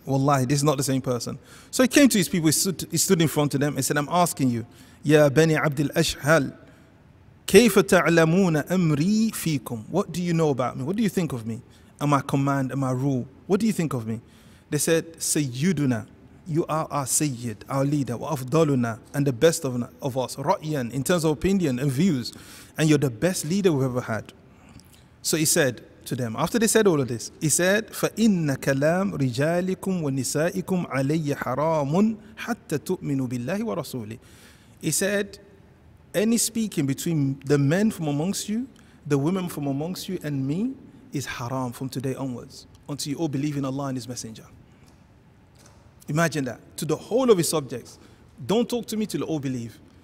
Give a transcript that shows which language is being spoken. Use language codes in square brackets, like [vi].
[en] Wallahi, this is not the same person. So he came to his people, he stood in front of them and said, I'm asking you, Ya Bani Abdul Ashhal, [ar] Kayfa ta'lamuna amri fikum? [en] What do you know about me? What do you think of me? Am I command? Am I rule? What do you think of me? They said, Sayyiduna, you are our Sayyid, our leader, wa afdaluna, and the best of us, ra'yan, in terms of opinion and views, and you're the best leader we've ever had. So he said, to them. After they said all of this, he said, [ar] فَإِنَّ كَلَامْ رِجَالِكُمْ وَنِسَائِكُمْ عَلَيَّ حَرَامٌ حَتَّى تُؤْمِنُوا بِاللَّهِ وَرَسُولِهِ. [en] He said, any speaking between the men from amongst you, the women from amongst you and me is haram from today onwards, until you all believe in Allah and His Messenger. Imagine that, to the whole of His subjects. Don't talk to me till you all believe.